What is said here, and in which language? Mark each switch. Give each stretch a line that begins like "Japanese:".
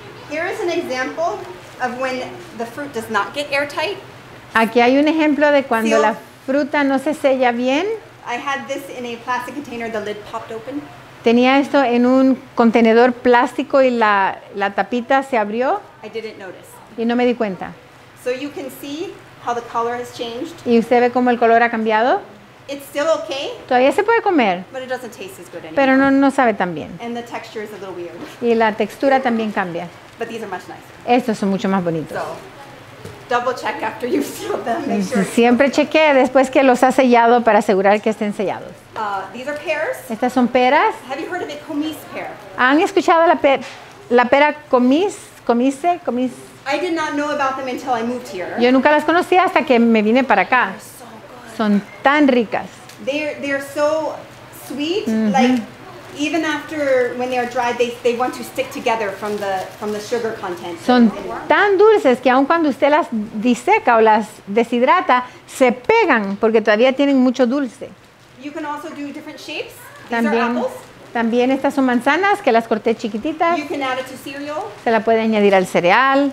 English: Here is an example of when the fruit does not get airtight.
Spanish: Aquí hay un ejemplo de cuando la fruta no se sella bien.
English: I had this in a plastic container. The lid popped open.
Spanish: Tenía esto en un contenedor plástico y la tapita se abrió.
English: I didn't notice.
Spanish: Y no me di cuenta.
English: So you can see how the color has changed.
Spanish: Y usted ve cómo el color ha cambiado.
English: It's still okay.
Spanish: Todavía se puede comer.
English: But it doesn't taste as good anymore.
Spanish: Pero no sabe tan bien.
English: And the texture is a little weird.
Spanish: Y la textura también cambia.
English: But these are much nicer.
Spanish: Estos son mucho más bonitos.
English: So, double check after you've sealed them. Make sure.
Spanish: Siempre chequee después que los ha sellado para asegurar que estén sellados.
English: These are pears.
Spanish: Estas son peras.
English: Have you heard of a comice pear?
Spanish: ¿Han escuchado la pera comice?
English: I did not know about them until I moved here.
Spanish: Yo nunca las conocí hasta que me vine para acá. Son tan ricas.
English: They're so sweet. Mm-hmm. Like even after when they are dried, they want to stick together from the sugar content.
Spanish: Son tan dulces que aun cuando usted las diseca o las deshidrata, se pegan porque todavía tienen mucho dulce.
English: You can also do different shapes.
Spanish: También,
English: these are apples.
Spanish: También estas son manzanas que las corté chiquititas.
English: You can add it to cereal.
Spanish: Se la puede añadir al cereal.